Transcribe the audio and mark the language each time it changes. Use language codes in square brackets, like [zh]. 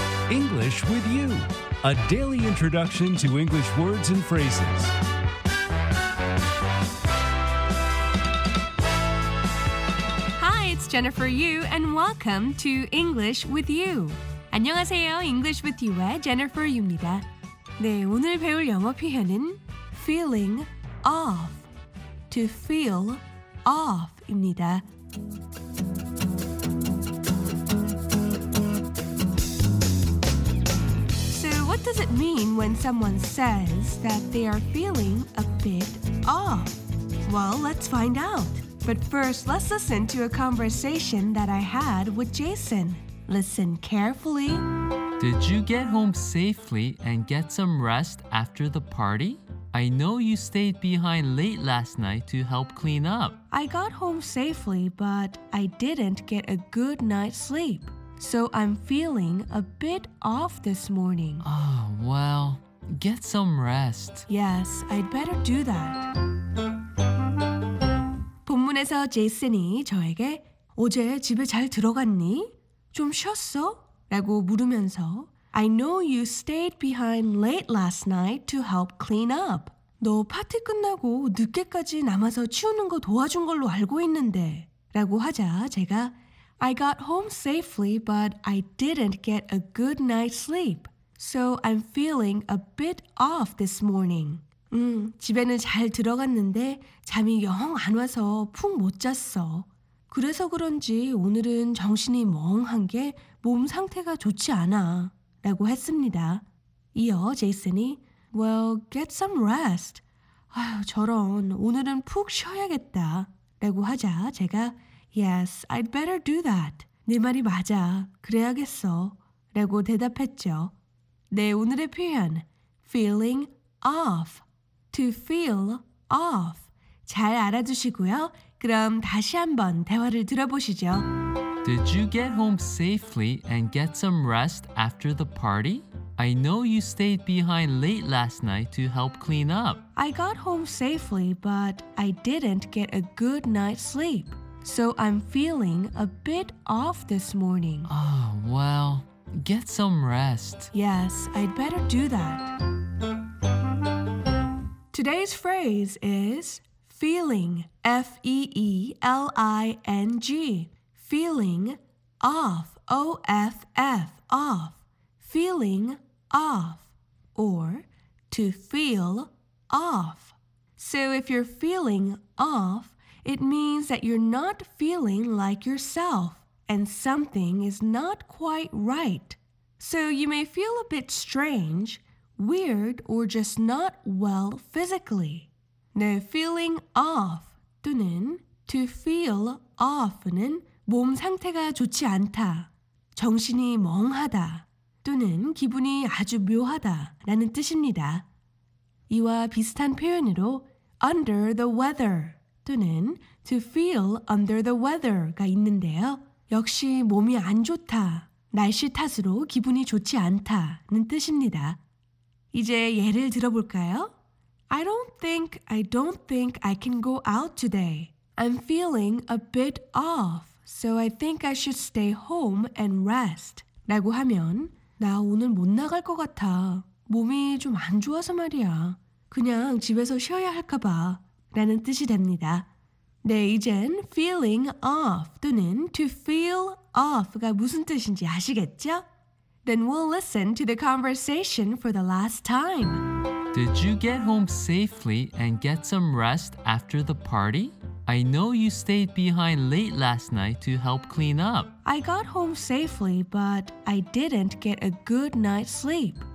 [en] English with you, a daily introduction to English words and phrases. Hi, it's Jennifer Yu, and welcome to English with you. [ko] 안녕하세요, English with you의 Jennifer Yu입니다. 네, 오늘 배울 영어 표현은 [en] feeling off, to feel off [ko] 입니다. [en] 'Mean when someone says that they are feeling a bit off? Well, let's find out. But first, let's listen to a conversation that I had with Jason. Listen carefully. Did you get home safely and get some rest after the party? I know you stayed behind late last night to help clean up. I got home safely, but I didn't get a good night's sleep. So I'm feeling a bit off this morning. Oh, well, get some rest. Yes, I'd better do that. [ko] 본문에서 제이슨이 저에게 어제 집에 잘 들어갔니? 좀 쉬었어? 라고 물으면서 [en] I know you stayed behind late last night to help clean up. [ko] 너 파티 끝나고 늦게까지 남아서 치우는 거 도와준 걸로 알고 있는데 라고 하자 제가 [en] I got home safely, but I didn't get a good night's sleep. So I'm feeling a bit off this morning. [ko] 집에는 잘 들어갔는데 잠이 영 안 와서 푹 못 잤어. 그래서 그런지 오늘은 정신이 멍한 게 몸 상태가 좋지 않아. 라고 했습니다. 이어 제이슨이 [en] Well, get some rest. [ko] 아휴, 저런, 오늘은 푹 쉬어야겠다. 라고 하자 제가 [en] Yes, I'd better do that. [ko] 네 말이 맞아. 그래야겠어. 라고 대답했죠. 네, 오늘의 표현. [en] Feeling off. To feel off. [ko] 잘 알아두시고요. 그럼 다시 한번 대화를 들어보시죠. [en] Did you get home safely and get some rest after the party? I know you stayed behind late last night to help clean up. I got home safely, but I didn't get a good night's sleep. So I'm feeling a bit off this morning. Oh, well, get some rest. Yes, I'd better do that. Today's phrase is feeling, F-E-E-L-I-N-G. Feeling off, O-F-F, off. Feeling off, or to feel off. So if you're feeling off, it means that you're not feeling like yourself and something is not quite right. So you may feel a bit strange, weird, or just not well physically. [ko] 네, [en] feeling off [ko] 또는 [en] to feel off [ko] 는 몸 상태가 좋지 않다, 정신이 멍하다, 또는 기분이 아주 묘하다라는 뜻입니다. 이와 비슷한 표현으로 [en] under the weather [ko] 또는 [en] to feel under the weather [ko] 가 있는데요. 역시 몸이 안 좋다, 날씨 탓으로 기분이 좋지 않다는 뜻입니다. 이제 예를 들어볼까요? [en] I don't think I can go out today. I'm feeling a bit off, so I think I should stay home and rest. [ko] 라고 하면 나 오늘 못 나갈 것 같아. 몸이 좀 안 좋아서 말이야. 그냥 집에서 쉬어야 할까 봐. 라는 뜻이 됩니다. 네, 이젠 [en] feeling off [ko] 또는 [en] to feel off [ko] 가 무슨 뜻인지 아시겠죠? [en] Then we'll listen to the conversation for the last time. Did you get home safely and get some rest after the party? I know you stayed behind late last night to help clean up. I got home safely, but I didn't get a good night's sleep.